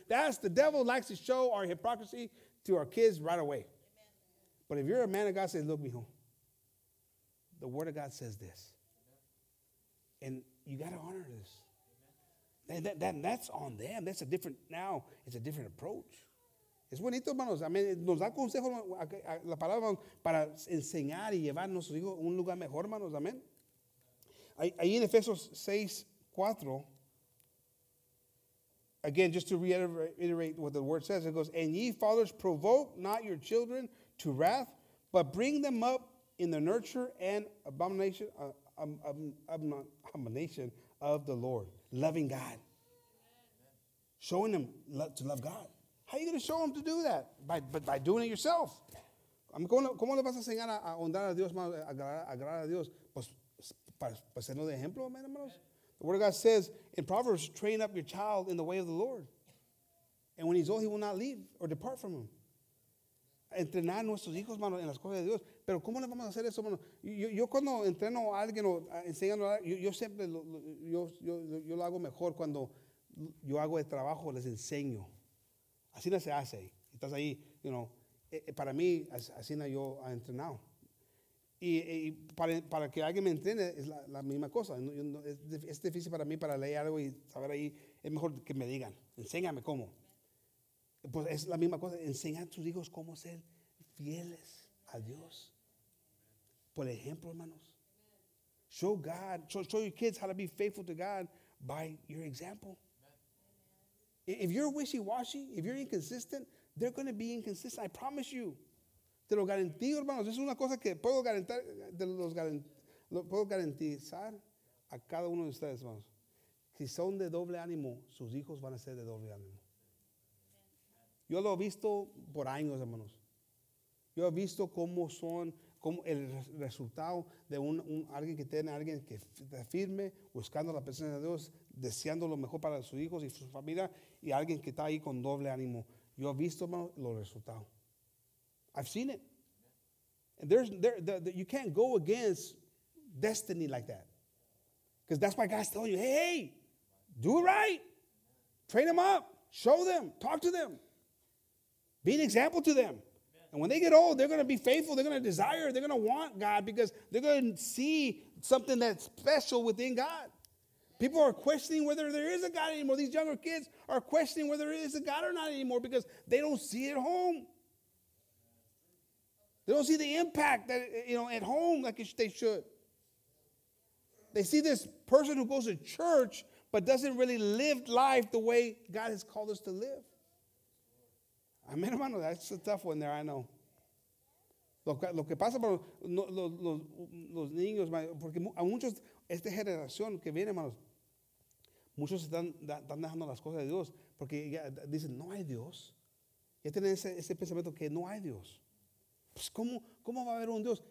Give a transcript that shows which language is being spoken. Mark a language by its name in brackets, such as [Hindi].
[English] That's the devil likes to show our hypocrisy to our kids right away. Amen. But if you're a man of God, say, look, mijo, the word of God says this. And you got to honor this. And that's on them. That's a different, now, it's a different approach. [Spanish] Es bonito, hermanos. [English] I mean, [Spanish] nos da consejo la palabra para enseñar y llevar a nuestros hijos a un lugar mejor, hermanos. Amén. Ahí en Efesios 6, 4, [English] again, just to reiterate what the word says, it goes, and ye fathers, provoke not your children to wrath, but bring them up in the nurture and abomination of the Lord. Loving God. Amen. Showing them to love God. How are you going to show them to do that? By doing it yourself. [Spanish] ¿Cómo le vas a enseñar a honrar a Dios, a agradar a Dios? Pues, para ser de ejemplo, hermanos. [English] The Word of God says in Proverbs, train up your child in the way of the Lord. And when he's old, he will not leave or depart from him. [Spanish] Entrenar nuestros hijos, mano, en las cosas de Dios. Pero ¿cómo le vamos a hacer eso, mano? Yo cuando entreno a alguien o enseñando a alguien, yo siempre lo hago mejor cuando yo hago el trabajo, les enseño. Así no se hace. Estás ahí, [English] you know. [Spanish] Para mí, así no yo he entrenado. Y para que alguien me entrene, es la misma cosa. Es difícil para mí para leer algo y saber ahí. Es mejor que me digan, enséñame cómo. Pues es la misma cosa, enseñar a tus hijos cómo ser fieles a Dios. Por ejemplo, hermanos. [English] Show God, show your kids how to be faithful to God by your example. If you're wishy-washy, if you're inconsistent, they're going to be inconsistent, I promise you. [Spanish] Te lo garantizo, hermanos. Es una cosa que puedo garantizar, a cada uno de ustedes, hermanos. Si son de doble ánimo, sus hijos van a ser de doble ánimo. Yo lo he visto por años, hermanos. Yo he visto cómo son, cómo el resultado de alguien que tiene, alguien que está firme, buscando la presencia de Dios, deseando lo mejor para sus hijos y su familia, y alguien que está ahí con doble ánimo. Yo he visto, hermanos, los resultados. [English] I've seen it. And you can't go against destiny like that. Because that's why God's telling you, hey, do it right. Train them up. Show them. Talk to them. Be an example to them. And when they get old, they're going to be faithful. They're going to desire. They're going to want God because they're going to see something that's special within God. People are questioning whether there is a God anymore. These younger kids are questioning whether there is a God or not anymore because they don't see it at home. They don't see the impact that, you know, at home like they should. They see this person who goes to church but doesn't really live life the way God has called us to live. I mean, hermano, that's a tough one there, I know. [Spanish] Lo que pasa para los niños, porque a muchos, esta generación que viene, hermanos, muchos están dejando las cosas de Dios porque ya dicen, no hay Dios. Ya tienen ese pensamiento que no hay Dios. Pues, ¿cómo va a haber un Dios?